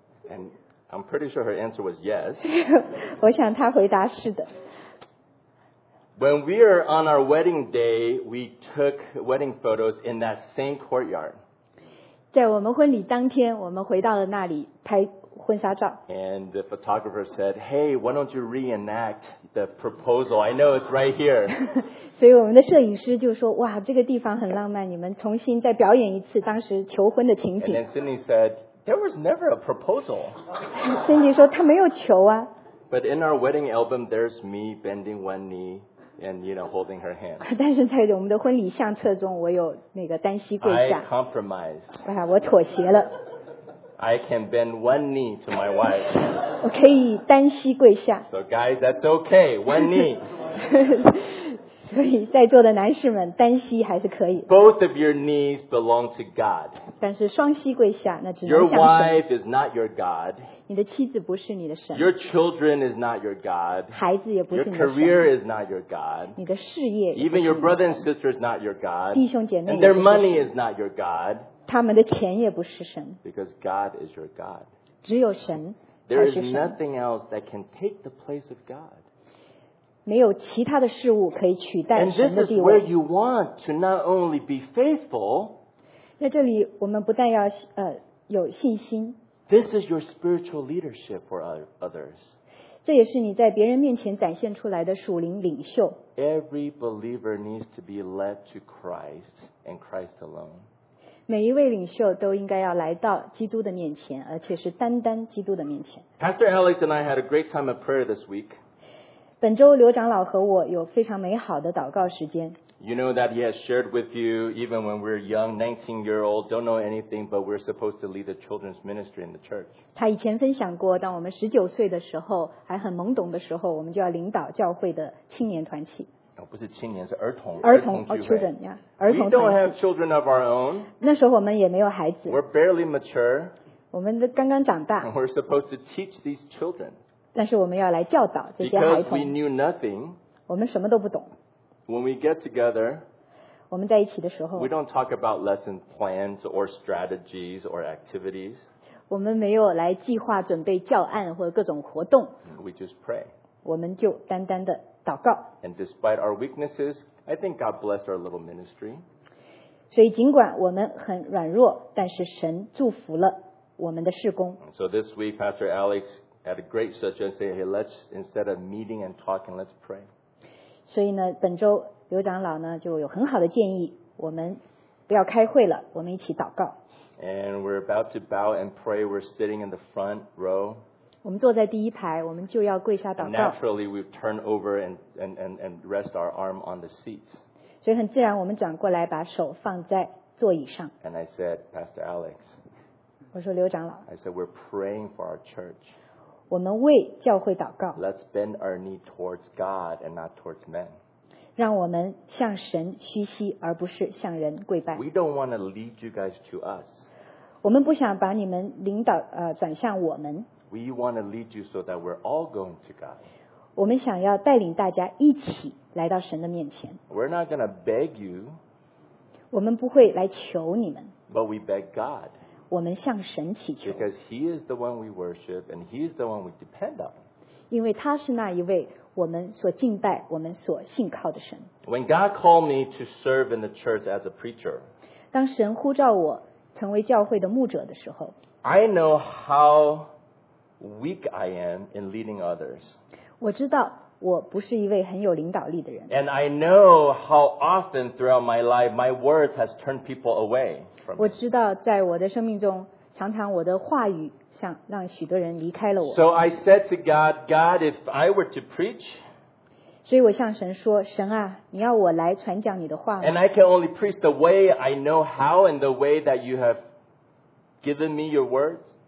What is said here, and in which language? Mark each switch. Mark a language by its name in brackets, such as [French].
[English] And I'm pretty sure her answer was yes. [Chinese] 我想她回答是的。 [English] When we were on our wedding day, we took wedding photos in that same courtyard. [Chinese] 在我们婚礼当天，我们回到了那里拍婚纱照。 [English] And the photographer said, "Hey, why don't you reenact the proposal? I know it's right here." [Chinese] 所以我们的摄影师就说，哇，这个地方很浪漫，你们重新再表演一次当时求婚的情景。 [English] And then Cindy said, "There was never a proposal." [Chinese] Cindy 说她没有求啊。 [English] But in our wedding album, there's me bending one knee. And you know, holding her hand. [Chinese] 但是在我们的婚礼相册中，我有那个单膝跪下。 [English] I compromised. [Chinese] 啊，我妥协了。 [English] I can bend one knee to my wife. [Chinese] 我可以单膝跪下。 [English] So guys, that's okay. One knee. [Chinese] 所以在座的男士们，单膝还是可以。 [English] Both of your knees belong to God. [Chinese] 但是双膝跪下，那只能向神。 [English] Your wife is not your God. [Chinese] 你的妻子不是你的神。 [English] Your children is not your God. [Chinese] 孩子也不是你的神。 [English] Your career is not your God. [Chinese] 你的事业也不是你的。 [English] Even your brother and sister is not your God. [Chinese] 弟兄姐妹。 [English] And their money is not your God. [Chinese] 他们的钱也不是神。 [English] Because God is your God. [Chinese] 只有神才是神。 [English] There is nothing else that can take the place of God. [Chinese] 没有其他的事物可以取代神的地位。 [English] And this is where you want to not only be faithful. [Chinese] 在这里我们不但要有信心。 [English] This is your spiritual leadership for others. [Chinese] 这也是你在别人面前展现出来的属灵领袖。 [English] Every believer needs to be led to Christ and Christ alone. [Chinese] 每一位领袖都应该要来到基督的面前，而且是单单基督的面前。 [English] Pastor Alex and I had a great time of prayer this week. [Chinese] 本周刘长老和我有非常美好的祷告时间。 [English] You know that he has shared with you, even when we're young, 19-year-old, don't know anything, but we're supposed to lead the children's ministry in the church. [Chinese] 他以前分享过，当我们十九岁的时候，还很懵懂的时候，我们就要领导教会的青年团契。哦，不是青年，是儿童。儿童哦 ，children 呀，儿童。 [English] We don't have children of our own. [Chinese] 那时候我们也没有孩子。 [English] We're barely mature. [Chinese] 我们刚刚长大。 [English] And we're supposed to teach these children. [Chinese] 但是我们要来教导这些孩童。 [English] Because we knew nothing. [Chinese] 我们什么都不懂。 [English] When we get together, [Chinese] 我们在一起的时候 [English] we don't talk about lesson plans or strategies or activities. [Chinese] 我们没有来计划准备教案或者各种活动 [English] We just pray. [Chinese] 我们就单单的祷告 [English] And despite our weaknesses, I think God blessed our little ministry. [Chinese] 所以尽管我们很软弱，但是神祝福了我们的事工 [English] So this week, Pastor Alex had a great suggestion, say, hey, let's instead of meeting and talking, let's pray. [Chinese] 所以呢，本周刘长老呢就有很好的建议，我们不要开会了，我们一起祷告。 [English] And we're about to bow and pray. We're sitting in the front row. [Chinese] 我们坐在第一排，我们就要跪下祷告。 [English] Naturally, we turn over and rest our arm on the seats. [Chinese] 所以很自然，我们转过来，把手放在座椅上。 [English] And I said, Pastor Alex. [Chinese] 我说刘长老。 [English] I said, we're praying for our church. [Chinese] 我们为教会祷告。 [English] Let's bend our knee towards God and not towards men. [Chinese] 让我们向神屈膝，而不是向人跪拜。 [English] We don't want to lead you guys to us. [Chinese] 我们不想把你们领导转向我们。 [English] We want to lead you so that we're all going to God. [Chinese] 我们想要带领大家一起来到神的面前。 [English] We're not going to beg you. [Chinese] 我们不会来求你们。 [English] But we beg God. [Chinese] 我们向神祈求 [English] because he is the one we worship and he is the one we depend on [Chinese] 因为他是那一位我们所敬拜我们所信靠的神 [English] when God called me to serve in the church as a preacher [Chinese] 当神呼召我成为教会的牧者的时候 [English] I know how weak I am in leading others [Chinese] 我知道我不是一位很有领导力的人 [English] and I know how often throughout my life my words has turned people away [Chinese] 我知道在我的生命中常常我的话语想让许多人离开了我 [English] So I said to God God if I were to preach [Chinese] 所以我向神说神啊你要我来传讲你的话 [English] And I can only preach the way I know how and the way that you have given me your words